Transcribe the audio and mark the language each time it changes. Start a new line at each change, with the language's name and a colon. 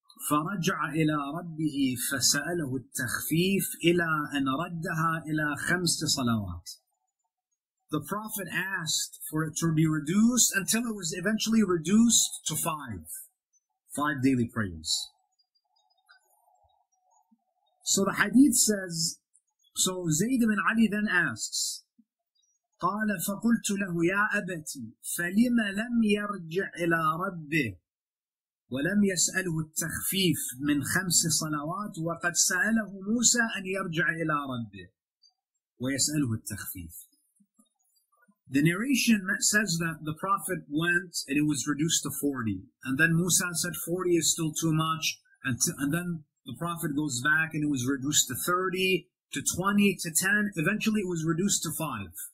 Arabic: فَرَجَّعَ إِلَىٰ رَبِّهِ فَسَأَلَهُ التَّخْفِيفِ إِلَىٰ أَنْ رَدَّهَا إِلَىٰ خَمْسِ صَلَوَاتِ.
English: The Prophet asked for it to be reduced until it was eventually reduced to five. Five daily prayers. So the hadith says, so Zayd ibn Ali then asks,
Arabic: قَالَ فَقُلْتُ لَهُ يَا أَبَتِي فَلِمَ لَمْ يَرْجِعْ إِلَىٰ رَبِّهِ وَلَمْ يَسْأَلْهُ التَّخْفِيفِ مِنْ خَمْسِ صَلَوَاتِ وَقَدْ سَأَلَهُ مُوسَىٰ أَنْ يَرْجِعْ إِلَىٰ رَبِّهِ وَيَسْأَلْهُ التَّخْفِيفِ.
English: The narration says that the Prophet went and it was reduced to 40. And then Musa said 40 is still too much. And then the Prophet goes back and it was reduced to 30, to 20, to 10. Eventually it was reduced to 5.